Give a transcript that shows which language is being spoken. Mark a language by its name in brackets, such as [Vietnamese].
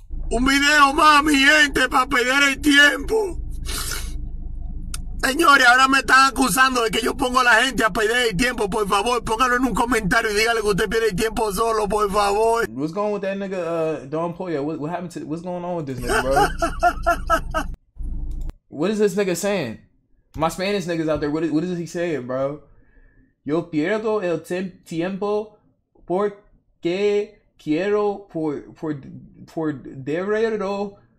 [Spanish] Un video más, mi gente, para perder el tiempo. Señores, ahora me están acusando de que yo pongo a la gente a perder el tiempo. Por favor, póngalo en un comentario y dígale que usted pierde el tiempo solo, por favor. [English] What's going with that nigga, Don Poya? What happened to, what's going on with this nigga, bro? What is this nigga saying? My Spanish niggas out there, what is he saying, bro? [Spanish] Yo pierdo el tiempo porque quiero por derrero.